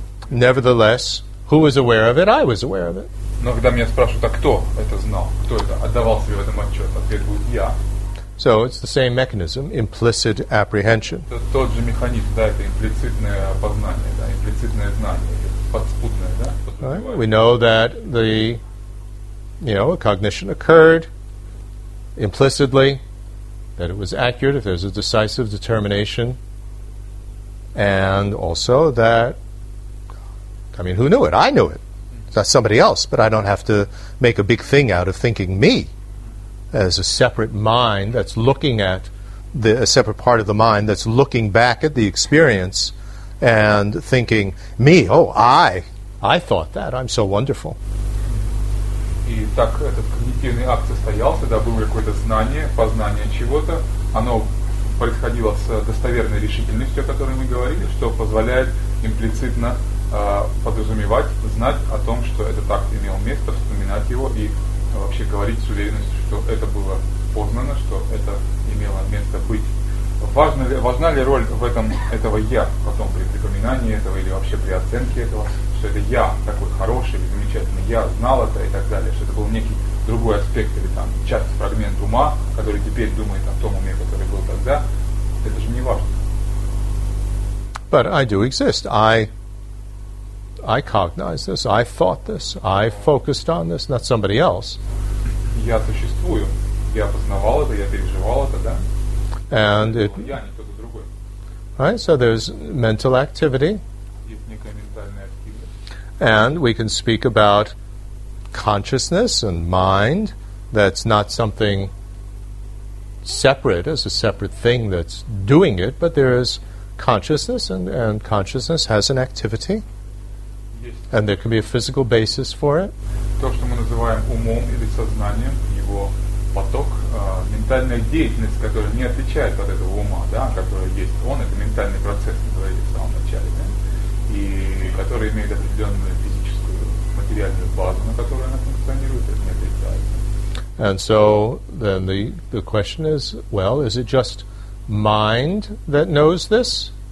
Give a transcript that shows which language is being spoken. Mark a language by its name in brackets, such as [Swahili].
[English] Nevertheless, who was aware of it? I was aware of it. [Russian] Но когда меня спрашивают, а кто это знал, кто это отдавал себе в этом отчет, ответ будет я. [English] So it's the same mechanism, implicit apprehension. [Russian] Это тот же механизм, да, это имплицитное познание, да, имплицитное знание, подспудное, да. [English] Right. We know that the, you know, a cognition occurred implicitly, that it was accurate if there's a decisive determination, and also that, I mean, who knew it? I knew it. Not somebody else, but I don't have to make a big thing out of thinking me as a separate mind that's looking at the a separate part of the mind that's looking back at the experience and thinking me, oh, I thought that, I'm so wonderful. [Russian] И так этот когнитивный акт состоялся, да, было какое-то знание, познание чего-то, оно происходило с достоверной решительностью, о которой мы говорили, что позволяет имплицитно подразумевать, знать о том, что этот акт имел место, вспоминать его и вообще говорить с уверенностью, что это было познано, что это имело место быть. Важна ли роль в этом этого «я» потом при припоминании этого или вообще при оценке этого, что это «я» такой хороший или замечательный, «я знал это» и так далее, что это был некий другой аспект или там часть, фрагмент ума, который теперь думает о том уме, который был тогда, это же не важно. [English] But I do exist. I cognize this, I thought this, I focused on this, not somebody else. [Russian] Я существую. Я познавал это, я переживал это, да? [English] And it... [Russian] Я, не кто-то другой. [English] Right, so there's mental activity. [Russian] Есть некая ментальная активность. [English] And we can speak about consciousness and mind that's not something separate, as a separate thing that's doing it, but there is consciousness, and consciousness has an activity. And there can be a physical basis for it. [Russian] То, что мы называем умом или сознанием, его поток, ментальная деятельность, которая не отличает от этого ума, да, которая есть, он это ментальный процесс, который есть в самом начале, да, и который имеет определенную физическую материальную базу, на которой она функционирует, это не отрицает. [English] And so then the question is, well, is it just mind that knows this?